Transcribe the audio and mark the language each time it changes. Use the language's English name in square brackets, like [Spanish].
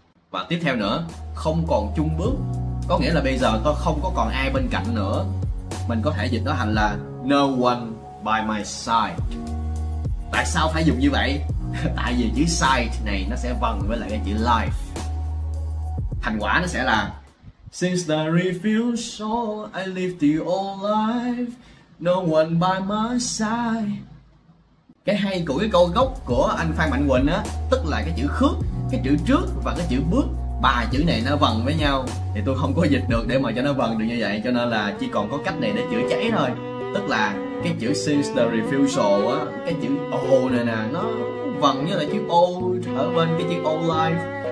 [Vietnamese] Và tiếp theo nữa, không còn chung bước, có nghĩa là bây giờ tôi không có còn ai bên cạnh nữa. Mình có thể dịch nó thành là [English] no one by my side. [Vietnamese] Tại sao phải dùng như vậy? Tại vì chữ side này nó sẽ vần với lại cái chữ life. Thành quả nó sẽ là [English] since the refusal, I live the old life, no one by my side. [Vietnamese] Cái hay của cái câu gốc của anh Phan Mạnh Quỳnh á, tức là cái chữ khước, cái chữ trước và cái chữ bước, ba chữ này nó vần với nhau. Thì tôi không có dịch được để mà cho nó vần được như vậy, cho nên là chỉ còn có cách này để chữa cháy thôi. Tức là cái chữ [English] since the refusal [Vietnamese] á, cái chữ O này nè, nó vần như là chữ O ở bên cái chữ O life.